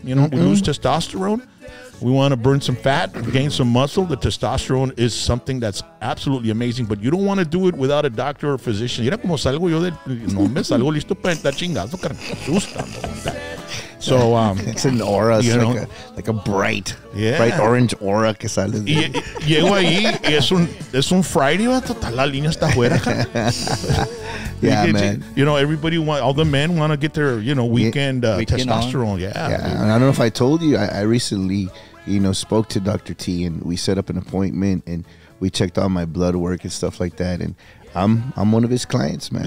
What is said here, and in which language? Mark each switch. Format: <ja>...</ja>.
<en>You know, mm-hmm. We lose testosterone. We want to burn some fat, gain some muscle. The testosterone is something that's absolutely amazing, but you don't want to do it without a doctor or a physician.</en> <es>Mira como salgo yo de... No me salgo listo para entrar chingazo, carna. Justo.</es> <en>So, it's an aura, it's like, a bright, bright orange aura</en> <es>que sale. Llego ahí y es un Friday, hasta la línea está afuera.</es> <en>Yeah, man. You know, everybody, all the men want to get their, you know, weekend, testosterone. Yeah. And I don't know if I told you, I recently, you know, spoke to Dr. T and we set up an appointment and we checked all my blood work and stuff like that. And I'm one of his clients, man.</en>